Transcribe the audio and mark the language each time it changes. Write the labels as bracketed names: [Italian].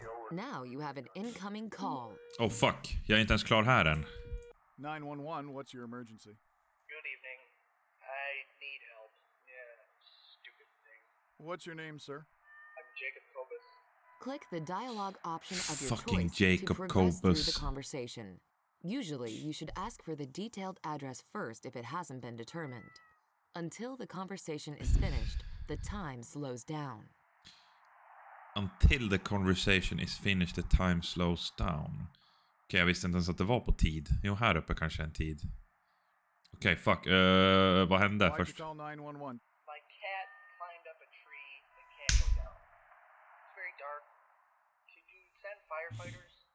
[English] Now you have an incoming call. Oh fuck, [Swedish] jag är inte ens klar här än. [English] 911, what's your emergency? Good evening. I need help. Stupid thing. What's your name, sir? I'm Jacob Copus. Click the dialogue option of your fucking choice Jacob to progress Copus. Through the conversation. Usually, you should ask for the detailed address first if it hasn't been determined. Until the conversation is finished, the time slows down. Until the conversation is finished, the time slows down. [Swedish] Okej, jag visste inte ens att det var på tid. Jo, här uppe kanske en tid. Okej, fuck. Vad hände [English] why [Swedish] först? [English] Call 911? My cat climbed up a tree and can't go down. It's very dark. Could you send firefighters?